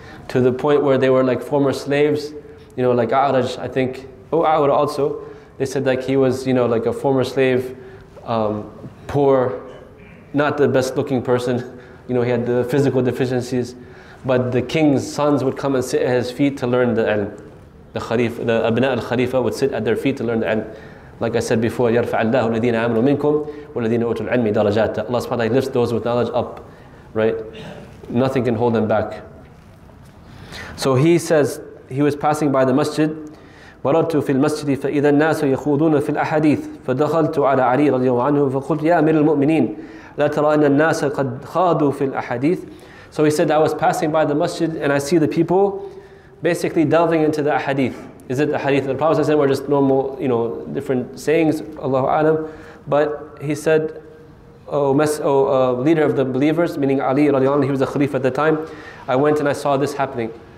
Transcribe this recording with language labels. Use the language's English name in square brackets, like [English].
[English] To the point where they were like former slaves, you know, like A'raj, I think, A'ur also, they said like he was, you know, like a former slave, poor, not the best looking person. You know, he had the physical deficiencies. But the king's sons would come and sit at his feet to learn the ilm. The Khalif, the Abna al-Khalifa would sit at their feet to learn the ilm. Like I said before, [Arabic] يَرْفَعَ اللَّهُ الَّذِينَ عَمَلُوا مِنْكُمْ وَالَّذِينَ أُوتُوا الْعِلْمِ دَرَجَاتَ. [English] Allah subhanahu wa ta'ala lifts those with knowledge up, right? Nothing can hold them back. So he says, he was passing by the masjid. [Arabic] مررت في المسجد فإذا الناس يخوضون في الأحاديث فدخلت على علي رضي الله عنه فقلت يا أمير المؤمنين لا ترى أن الناس قد خاضوا في الأحاديث. [English] So he said, I was passing by the masjid and I see the people basically delving into the ahadith. Is it the hadith of the Prophet or just normal, you know, different sayings, Allahu A'lam? But he said, leader of the believers, meaning Ali radiallahu anhu, he was a khalif at the time, I went and I saw this happening.